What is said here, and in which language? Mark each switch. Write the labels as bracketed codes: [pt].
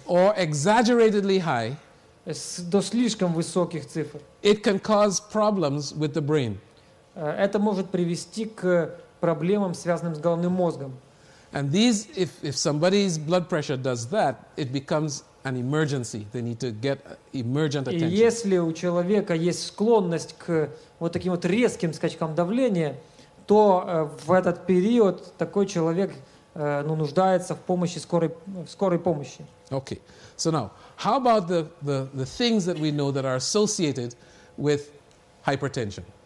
[en] or exaggeratedly high, [ru] до слишком высоких цифр, [en] it can cause problems with the brain. [ru] Это может привести к проблемам, связанным с головным мозгом. [en] And these, if somebody's blood pressure does that, it becomes an emergency. They need to get emergent attention. [ru] И если у человека есть склонность к вот таким вот резким скачкам давления, то в этот период такой человек нуждается в помощи скорой помощи. [en] Okay. So now, how about the things that we know that are associated with hypertension?